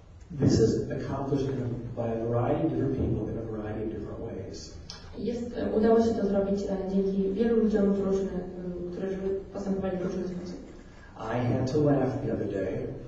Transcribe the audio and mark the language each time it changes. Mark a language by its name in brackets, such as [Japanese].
[English] This is accomplished by a variety of different people in a variety of different ways. [Polish] Jest, udało się to zrobić dzięki wielu ludziom różnych, które żeby postępowali w różny sposób. [English] I had to laugh the other day.